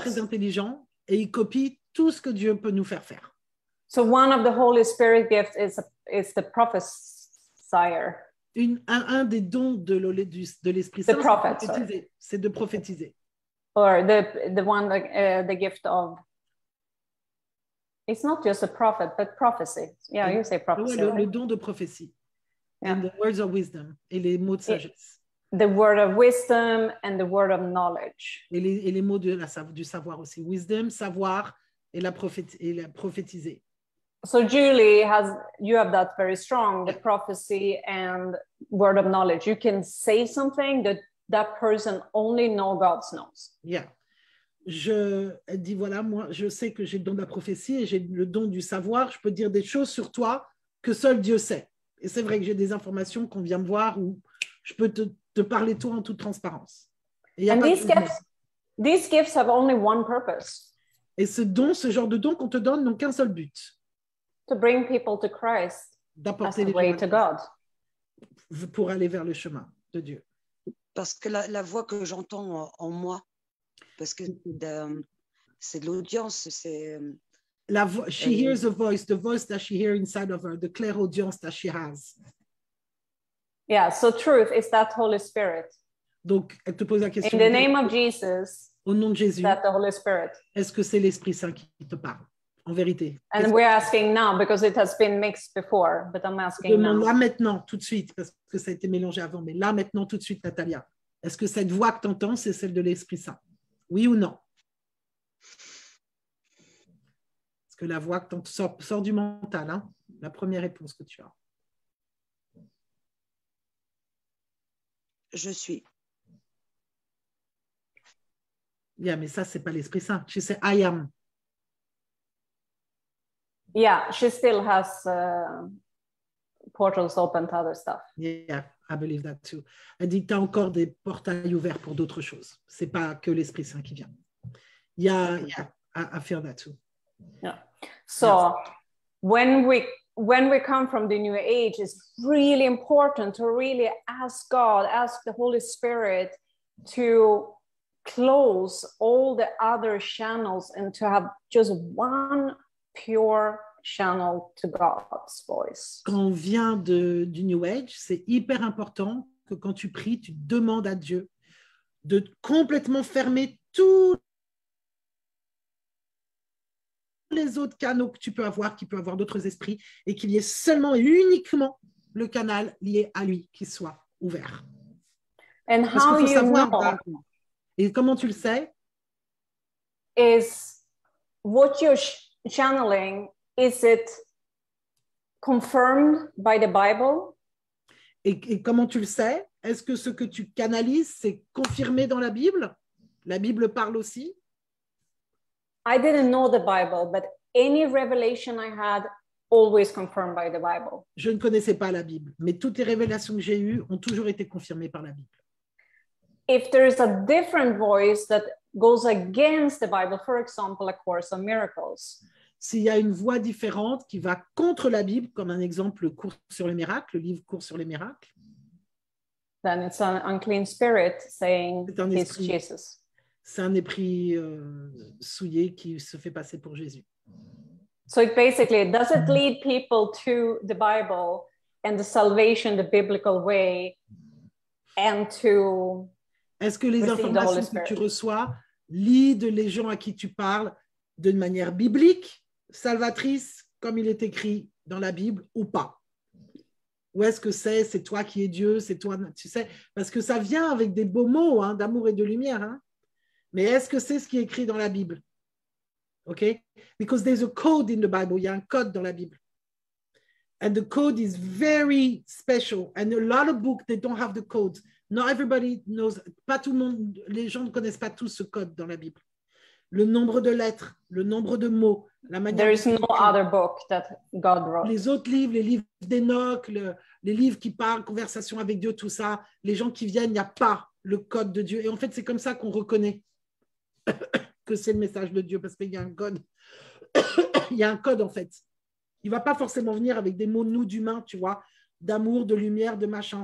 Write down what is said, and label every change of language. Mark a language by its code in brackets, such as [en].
[fr] Lucifer est très intelligent et il copie tout ce que Dieu peut nous faire faire. [en] So one of the Holy Spirit gifts is the prophesier. [fr] Un des dons de l'Esprit Saint, c'est de prophétiser. [en] Or the gift of, it's not just a prophet, but prophecy. Yeah, you say prophecy. [fr] Ouais, le don de prophétie. [en] Yeah. And the words of wisdom, [fr] et les mots de sagesse. [en] The word of wisdom and the word of knowledge. [fr] Et les mots du savoir aussi. Wisdom, savoir, et la prophétiser. [en] So Julie, you have that very strong, the prophecy and word of knowledge. You can say something that person only knows God knows. Yeah. [fr] Elle dit, voilà, moi, je sais que j'ai le don de la prophétie et j'ai le don du savoir. Je peux dire des choses sur toi que seul Dieu sait. Et c'est vrai que j'ai des informations qu'on vient me voir ou je peux te parler toi en toute transparence. [en] These gifts have only one purpose. [fr] Et ce genre de don qu'on te donne n'ont qu'un seul but. [en] To bring people to Christ. [fr] D'apporter [en] les way to God. [fr] Pour aller vers le chemin de Dieu. Parce que la voix que j'entends en moi, parce que c'est de l'audience, c'est... [en] La she hears a voice, the voice that she hears inside of her, the clair audience that she has. Yeah, so truth is that Holy Spirit. [fr] Donc, elle te pose la question. [en] In the name of Jesus, [fr] au nom de Jésus, [en] is that the Holy Spirit? [fr] Est-ce que c'est l'Esprit Saint qui te parle? En vérité. [en] And we're asking now because it has been mixed before, but I'm asking [fr] demande [en] now. [fr] Là maintenant, tout de suite, parce que ça a été mélangé avant, mais là maintenant, tout de suite, Natalia, est-ce que cette voix que tu entends, c'est celle de l'Esprit Saint? Oui ou non? Est-ce que la voix que tu sort du mental, hein, la première réponse que tu as? Je suis. Yeah, mais ça, c'est pas l'Esprit Saint. [en] She said, I am. Yeah, she still has portals open to other stuff. Yeah, I believe that too. [fr] Elle dit, t'as encore des portails ouverts pour d'autres choses. C'est pas que l'Esprit Saint qui vient. [en] Yeah, I feel that too. Yeah. So, yes. when we come from the new age, it's really important to really ask God, ask the Holy Spirit to close all the other channels and to have just one pure channel to God's voice. [fr] Quand on vient du New Age, c'est hyper important que quand tu pries, tu demandes à Dieu de complètement fermer tous les autres canaux que tu peux avoir, qui peut avoir d'autres esprits, et qu'il y ait seulement et uniquement le canal lié à lui qui soit ouvert. [en] And how you savoir, know, bah, [fr] et comment tu le sais? [en] Is what you channeling, is it confirmed by the Bible? [fr] Et comment tu le sais? Est-ce que ce que tu canalises, c'est confirmé dans la Bible? La Bible parle aussi? [en] I didn't know the Bible, but any revelation I had always confirmed by the Bible. [fr] Je ne connaissais pas la Bible, mais toutes les révélations que j'ai eues ont toujours été confirmées par la Bible. [en] If there is a different voice that goes against the Bible, for example, A Course in Miracles. [fr] S'il y a une voix différente qui va contre la Bible, comme un exemple, le livre Cours sur les miracles. [en] Then it's an unclean spirit saying it's Jesus. [fr] C'est un esprit souillé qui se fait passer pour Jésus. [en] So it basically, does it lead people to the Bible and the salvation the biblical way and to [fr] Est-ce que les informations que tu reçois lead les gens à qui tu parles d'une manière biblique, salvatrice, comme il est écrit dans la Bible ou pas? Ou est-ce que c'est toi qui es Dieu, c'est toi, tu sais, parce que ça vient avec des beaux mots, hein, d'amour et de lumière, hein. Mais est-ce que c'est ce qui est écrit dans la Bible? [en] OK? Because there's a code in the Bible, [fr] il y a un code dans la Bible. [en] And the code is very special. And a lot of books, they don't have the code. Not everybody knows, [fr] pas tout le monde, les gens ne connaissent pas tous ce code dans la Bible. Le nombre de lettres, le nombre de mots, la manière... [en] There is no other book that God wrote. [fr] Les autres livres, les livres d'Enoch, les livres qui parlent, conversation avec Dieu, tout ça, les gens qui viennent, il n'y a pas le code de Dieu. Et en fait, c'est comme ça qu'on reconnaît que c'est le message de Dieu, parce qu'il y a un code. Il y a un code, en fait. Il ne va pas forcément venir avec des mots nous d'humains, tu vois, d'amour, de lumière, de machin.